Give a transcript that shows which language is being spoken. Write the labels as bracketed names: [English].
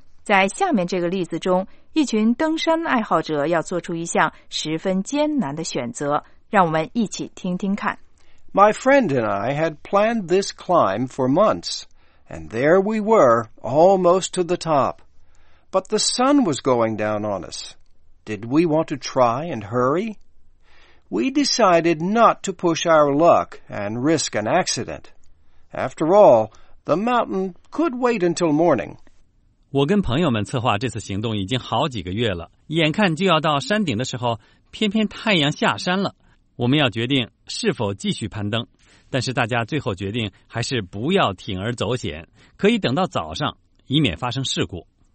[Chinese] 在下面这个例子中，一群登山爱好者要做出一项十分艰难的选择，让我们一起听听看。 [English] My friend and I had planned this climb for months, and there we were, almost to the top. But the sun was going down on us. Did we want to try and hurry? We decided not to push our luck and risk an accident. After all, the mountain could wait until morning. [Chinese] 我跟朋友们策划这次行动已经好几个月了，眼看就要到山顶的时候，偏偏太阳下山了。我们要决定是否继续攀登，但是大家最后决定还是不要铤而走险，可以等到早上，以免发生事故。